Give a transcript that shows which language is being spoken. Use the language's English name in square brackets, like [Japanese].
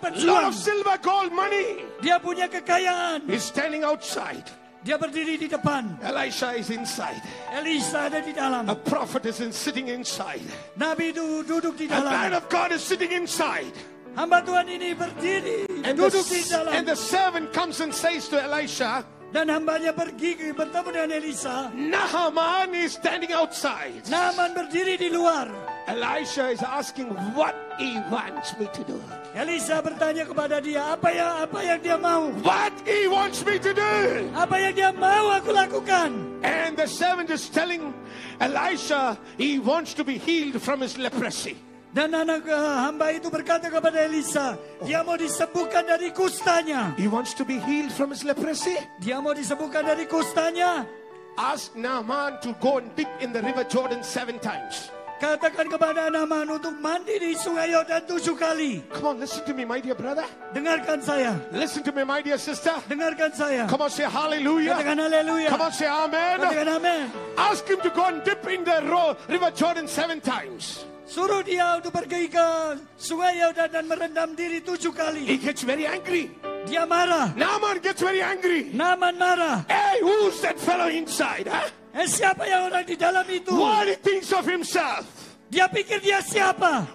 [English] pejuang. Lot of silver, gold, money. [Indonesian] Dia punya kekayaan. [English] He's standing outside. [Indonesian] Dia berdiri di depan. [English] Elisha is inside. [Indonesian] Elisa ada di dalam. [English] A prophet is sitting inside. [Indonesian] Nabi itu duduk di dalam. [English] A man of God is sitting inside. [Indonesian] Hamba Tuhan ini berdiri, and duduk di dalam. [English] And the servant comes and says to Elisha. [Indonesian] Dan hambanya pergi bertemu dengan Elisa. [English] Naaman is standing outside. [Indonesian] Naaman berdiri di luar. [English] Elisha is asking what he wants me to do. [Indonesian] Elisa bertanya kepada dia apa yang dia mau. [English] What he wants me to do. [Indonesian] Apa yang dia mau aku lakukan. [English] And the servant is telling Elisha he wants to be healed from his leprosy. [Indonesian] Dan anak hamba itu berkata kepada Elisa, dia mau disembuhkan dari kustanya. [English] He wants to be healed from his leprosy. [Indonesian] Dia mau disembuhkan dari kustanya. [English] Ask Naaman to go and dip in the river Jordan 7 times. [Indonesian] Katakan kepada Naaman untuk mandi di sungai Yordan 7 kali. [English] Come on, listen to me, my dear brother. [Indonesian] Dengarkan saya. [English] Listen to me, my dear sister. [Indonesian] Dengarkan saya. [English] Come on, say hallelujah. [Indonesian] Katakan hallelujah. [English] Come on, say amen. [Indonesian] Katakan amen. [English] Ask him to go and dip in the river Jordan 7 times. [Indonesian] Suruh dia untuk pergi ke sungai Yordan dan merendam diri 7 kali. [English] He gets very angry. [Indonesian] Dia marah. [English] Naaman gets very angry. [Indonesian] Naaman marah. [English] Hey, who's that fellow inside, huh? [Indonesian] Eh, siapa yang orang di dalam itu? [English] What he thinks of himself? [Indonesian] Dia pikir dia siapa?